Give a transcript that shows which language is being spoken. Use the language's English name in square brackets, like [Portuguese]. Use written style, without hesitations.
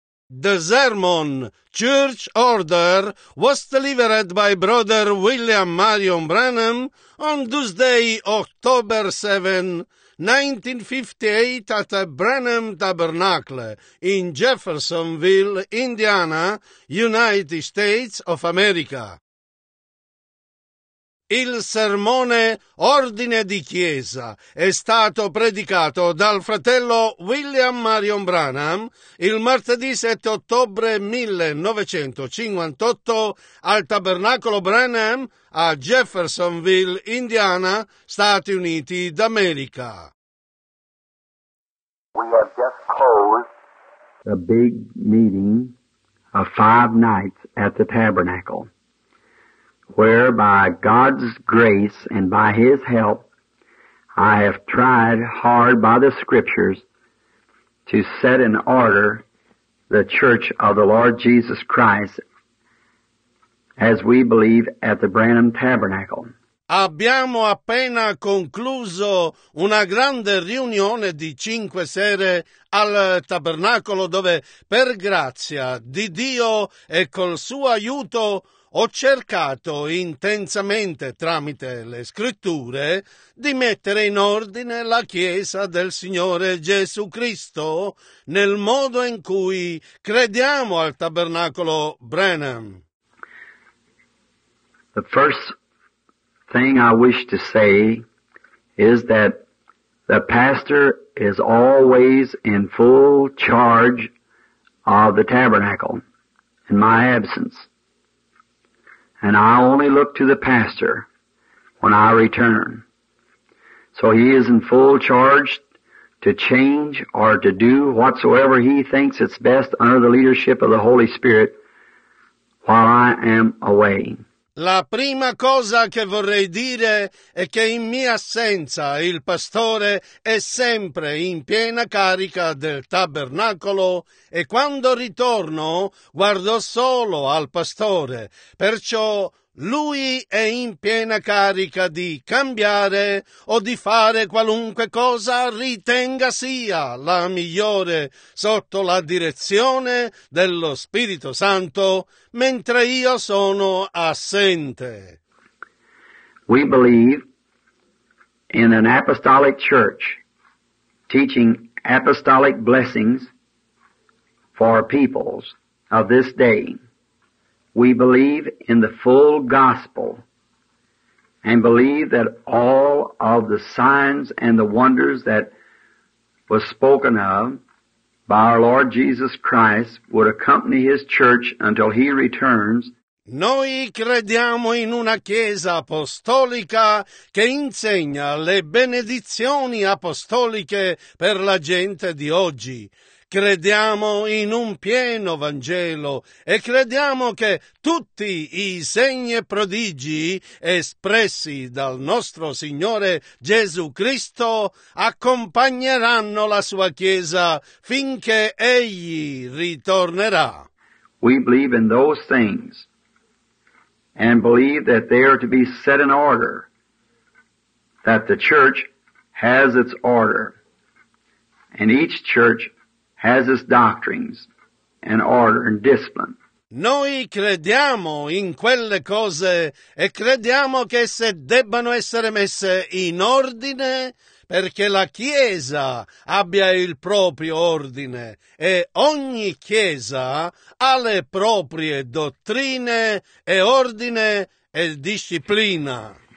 [English] The sermon, church order, was delivered by Brother William Marion Branham on Tuesday, October 7, 1958 at the Branham Tabernacle in Jeffersonville, Indiana, United States of America. [Italian] Il sermone Ordine di Chiesa è stato predicato dal fratello William Marion Branham il martedì 7 ottobre 1958 al Tabernacolo Branham a Jeffersonville, Indiana, Stati Uniti d'America. [English] We have just closed a big meeting of 5 nights at the Tabernacle, where by God's grace and by His help, I have tried hard by the Scriptures to set in order the Church of the Lord Jesus Christ as we believe at the Branham Tabernacle. [Italian] Abbiamo appena concluso una grande riunione di 5 sere al Tabernacolo dove, per grazia di Dio e col suo aiuto, ho cercato intensamente, tramite le Scritture, di mettere in ordine la Chiesa del Signore Gesù Cristo nel modo in cui crediamo al Tabernacolo Branham. [English] The first thing I wish to say is that the pastor is always in full charge of the Tabernacle in my absence. And I only look to the pastor when I return. So he is in full charge to change or to do whatsoever he thinks it's best under the leadership of the Holy Spirit while I am away. [Italian] La prima cosa che vorrei dire è che in mia assenza il pastore è sempre in piena carica del Tabernacolo e quando ritorno guardo solo al pastore, perciò lui è in piena carica di cambiare o di fare qualunque cosa ritenga sia la migliore sotto la direzione dello Spirito Santo, mentre io sono assente. [English] We believe in an apostolic church teaching apostolic blessings for peoples of this day. We believe in the full gospel and believe that all of the signs and the wonders that was spoken of by our Lord Jesus Christ would accompany His church until He returns. [Italian] Noi crediamo in una Chiesa apostolica che insegna le benedizioni apostoliche per la gente di oggi. Crediamo in un pieno Vangelo e crediamo che tutti i segni e prodigi espressi dal nostro Signore Gesù Cristo accompagneranno la sua Chiesa finché Egli ritornerà. [English] We believe in those things and believe that they are to be set in order, that the church has its order, and each church has its doctrines and order and discipline. [Italian] Noi crediamo in quelle cose e crediamo che esse debbano essere messe in ordine perché la Chiesa abbia il proprio ordine e ogni Chiesa ha le proprie dottrine e ordine e disciplina.